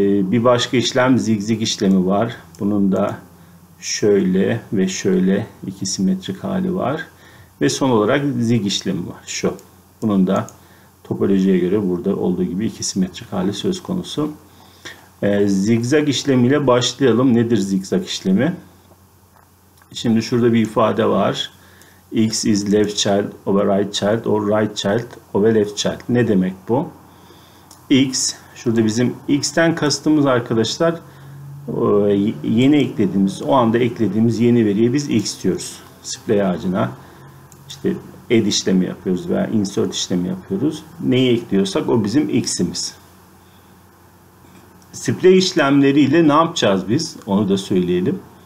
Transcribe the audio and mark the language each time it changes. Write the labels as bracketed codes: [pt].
[tr] Bir başka işlem zigzag işlemi var. Bunun da şöyle ve şöyle 2 simetrik hali var. Ve son olarak zig işlemi var. Şu. Bunun da topolojiye göre burada olduğu gibi iki simetrik hali söz konusu. Zigzag işlemiyle başlayalım. Nedir zigzag işlemi? Şimdi şurada bir ifade var. [en] X is left child over right child or right child over left child. [tr] Ne demek bu? X, şurada bizim X'ten kastımız arkadaşlar yeni eklediğimiz, o anda eklediğimiz yeni veriye biz X diyoruz. Splay ağacına işte add işlemi yapıyoruz veya insert işlemi yapıyoruz. Neyi ekliyorsak o bizim X'imiz. Splay işlemleriyle ne yapacağız biz? Onu da söyleyelim.